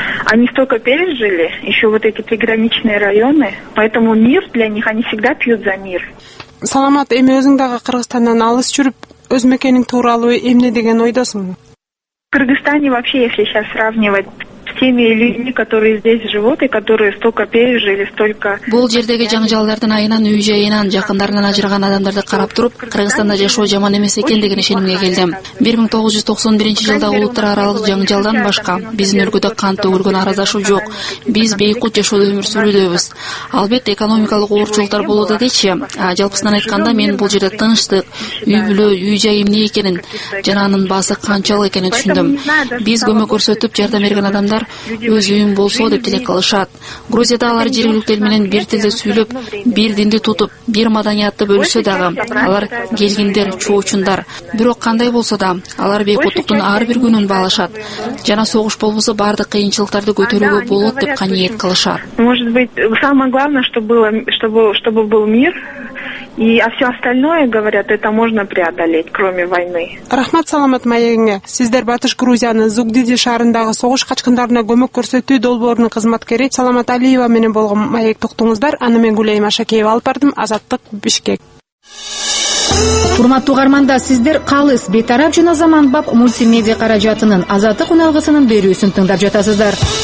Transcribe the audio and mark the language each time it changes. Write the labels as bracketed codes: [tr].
[ru] Они столько пережили, еще вот эти приграничные районы, поэтому мир для них, они всегда пьют за мир. [ky] Саламат, эми өзүң дагы Кыргызстандан алыс жүрүп, өз мекениң тууралуу эмне деген ойдосуң? [ru] В Кыргызстане вообще, если сейчас сравнивать теми людьми, которые здесь живут и которые столько пережили, столько. [ky] Бул жердеги жаңжалдардын айынан, үй жайынан, жакындарынан ажыраган адамдарды карап туруп, Кыргызстанда жашоо жаман эмес экен деген ишенимге келдим. 1991 жылда улуттар аралык жаңжалдан башка биздин өлкөдө кан төгүлгөн араздашуу жок. Биз бейкут жашоодо өмүр сүрүүдөбүз. Албетте, экономикалык оорчулуктар болот дечи, жалпысынан айтканда мен бул жерде тынчтык, үй бүлө, үй жай эмне экенин жана анын баасы канчалык экенин түшүндүм. Биз көмөк көрсөтүп жардам берген адам өз үйүм болсо деп тилек кылышат. Грузияда алар жергиликтүү эл менен бир тилде сүйлөп, бир динди тутуп, бир маданиятты бөлүшсө дагы, алар келгиндер, чоочундар. Бирок кандай болсо да, алар бейкуттуктун ар бир күнүн баалашат жана согуш болбосо баардык кыйынчылыктарды көтөрүүгө болот деп каниет кылышат. [ru] Может быть, самое главное, чтобы был мир. И а все остальное, говорят, это можно преодолеть, кроме войны. [ky] Рахмат саламат маегиңе. Сиздер Батыш Грузиянын Зугдиди шаарындагы согуш качкындарына көмөк көрсөтүү долбоорунун кызматкери Саламат Алиева менен болгон маек токтуңуздар. Аны мен Гүлейм Ашакеева алып бардым. Азаттык Бишкек. Урматтуу каарманда, сиздер калыс, бейтарап жана заманбап мультимедиа каражатынын Азаттык уналгысынын берүүсүн тыңдап жатасыздар.